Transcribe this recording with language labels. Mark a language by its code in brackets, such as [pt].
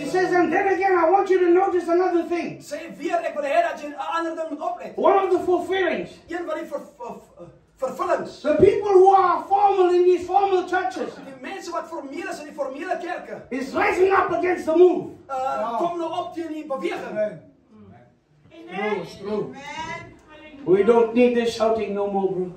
[en] He says, and then again, I want you to notice another thing. [af] Sê weer, ek wil hê dat jy 'n ander ding moet oplet. [en] One of the fulfillings. [af] Een van die vervullings. [en] The people who are formal in these formal churches. [af] Die mense wat formeel is in die formele kerke. [en] Is rising up against the move. [af] Kom nou op teen die beweging. [en] Amen. [af] Amen. [en] We don't need this shouting no more, bro.